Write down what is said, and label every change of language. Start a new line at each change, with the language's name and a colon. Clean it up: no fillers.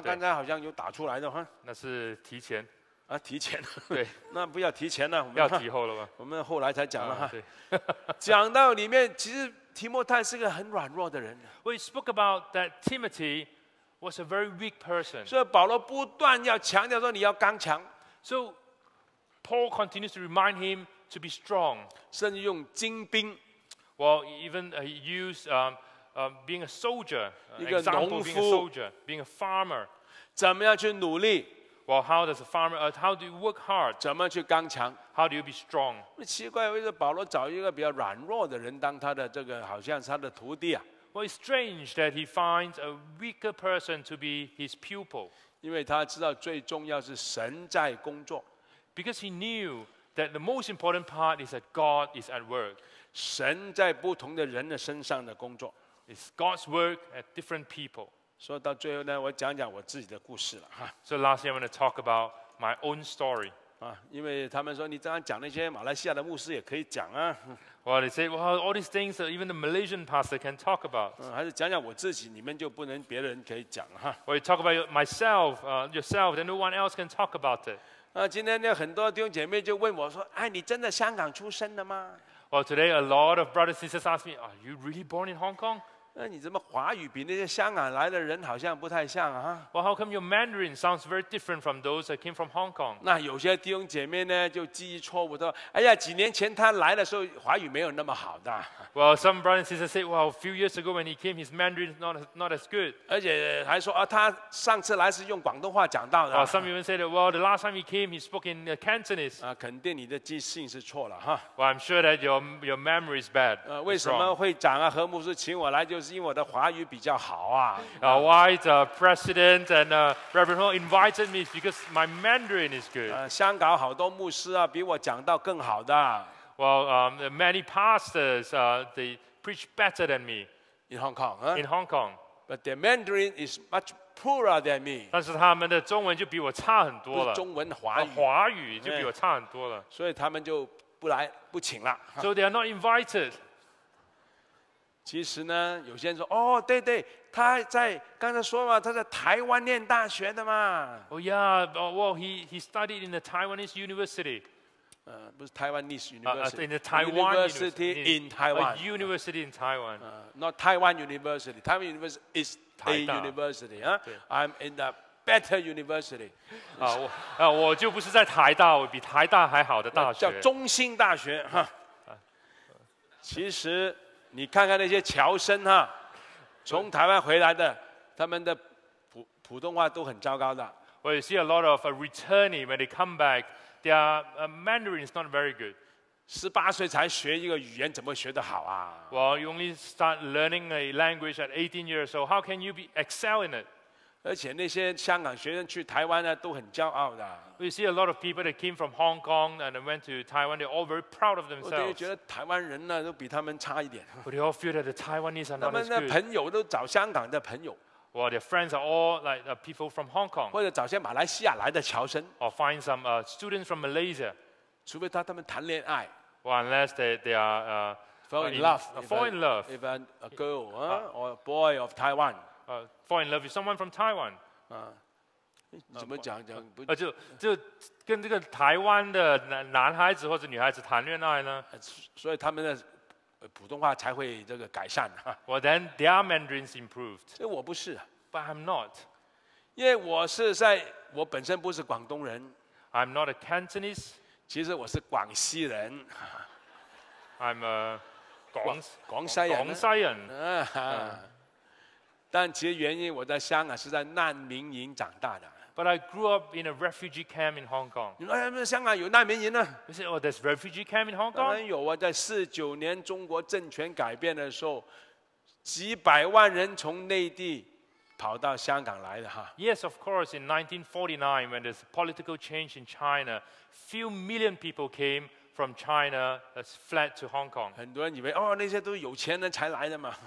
Chinese: 刚才好像有打出来的哈。那是提前。啊，提前。对。那不要提前了，我们要提后了吗？我们后来才讲了哈。对。讲到里面，其实提摩太是个很软弱的人。
English: We spoke about that Timothy was a very weak person.
Chinese: 所以保罗不断要强调说你要刚强。
English: So Paul continues to remind him to be strong.
Chinese: 甚至用精兵。
English: Well, even he used being a soldier,
Chinese: 一个农夫
English: example, being a soldier, being a farmer.
Chinese: 怎么样去努力？
English: Well, how does a farmer, how do you work hard?
Chinese: 怎么去刚强？
English: How do you be strong?
Chinese: 奇怪，为什么保罗找一个比较软弱的人当他的这个好像是他的徒弟啊？
English: Well, it's strange that he finds a weaker person to be his pupil.
Chinese: 因为他知道最重要是神在工作。
English: Because he knew that the most important part is that God is at work.
Chinese: 神在不同的人的身上的工作。
English: It's God's work at different people.
Chinese: 说到最后呢，我讲讲我自己的故事了。
English: So lastly, I want to talk about my own story.
Chinese: 啊，因为他们说你这样讲那些马来西亚的牧师也可以讲啊。
English: Well, they say, well, all these things that even the Malaysian pastor can talk about.
Chinese: 嗯，还是讲讲我自己，你们就不能别人可以讲哈。
English: Well, you talk about myself, yourself, then no one else can talk about it.
Chinese: 啊，今天呢，很多弟兄姐妹就问我说，哎，你真的香港出生的吗
English: ？Well, today a lot of brothers and sisters ask me, are you really born in Hong Kong?
Chinese: 那你怎么华语比那些香港来的人好像不太像啊
English: ？Well, how come your Mandarin sounds very different from those that came from Hong Kong？
Chinese: 那有些弟兄姐妹呢，就记忆错误的，哎呀，几年前他来的时候，华语没有那么好的。
English: Well, some brothers and sisters say, well, a few years ago when he came, his Mandarin not as good。
Chinese: 而且还说啊，他上次来是用广东话讲到的。
English: Well, some even say that, well, the last time he came, he spoke in Cantonese。
Chinese: 啊，肯定你的记性是错了哈。
English: Well, I'm sure that your memory is bad。
Chinese: 为什么会讲啊？何牧师请我来就是。因为我的华语比较好啊。
English: Why the president and Reverend Hall invited me? Because my Mandarin is good.
Chinese: 香港好多牧师啊，比我讲到更好的。
English: Well, many pastors, they preach better than me in Hong Kong. In Hong Kong, but their Mandarin is much poorer than me.
Chinese: 但是他们的中文就比我差很多了。中文华语，华语就比我差很多了。所以他们就不来不请了。
English: So they are not invited.
Chinese: 其实呢，有些人说，哦，对对，他在刚才说嘛，他在台湾念大学的嘛。
English: Oh yeah, well he studied in the Taiwanese university.
Chinese: 不是
English: Taiwanese university. In the Taiwan university in Taiwan. A university in Taiwan. Not Taiwan University. Taiwan University is a university. I'm in the better university.
Chinese: 我就不是在台大，我比台大还好的大学。叫中兴大学哈。其实。你看看那些侨生哈，从台湾回来的，他们的 普通话都很糟糕的。
English: Well, you see a lot of returnees when they come back, their Mandarin is not very good.
Chinese: 十八岁才学一个语言，怎么学得好啊
English: ？Well, you only start learning a language at 18 years old. How can you be excel in it?
Chinese: 而且那些香港学生去台湾呢，都很骄傲的。
English: We see a lot of people that came from Hong Kong and went to Taiwan. They're all very proud of themselves.
Chinese: 我觉得台湾人呢都比他们差一点。
English: But they all feel that the Taiwanese are not as good.
Chinese: 他们的朋友都找香港的朋友。
English: Well, their friends are all like people from Hong Kong.
Chinese: 或者找些马来西亚来的侨生。
English: Or find some students from Malaysia.
Chinese: 除非他们谈恋爱。
English: Well, unless they are fall in love. If a girl or a boy of Taiwan. Fall in love with someone from Taiwan.
Chinese: 怎么讲讲不？就跟这个台湾的男孩子或者女孩子谈恋爱呢？所以他们的普通话才会这个改善。
English: Well, then their Mandarin's improved.
Chinese: 这我不是。
English: But I'm not.
Chinese: 因为我本身不是广东人。
English: I'm not a Cantonese.
Chinese: 其实我是广西人。
English: I'm a
Chinese: 广西人。广西人。但其实原因，我在香港是在难民营长大的。
English: But I grew up in a refugee camp in Hong Kong.
Chinese: 你说哎，香港有难民营呢
English: ？You say, oh, there's refugee camp in Hong Kong.
Chinese: 当然有啊，在1949年中国政权改变的时候，几百万人从内地跑到香港来的哈。
English: Yes, of course. In 1949, when there's political change in China, few million people came. From China, has fled to Hong Kong.
Chinese: 很多人以为哦，那些都是有钱人才来的嘛。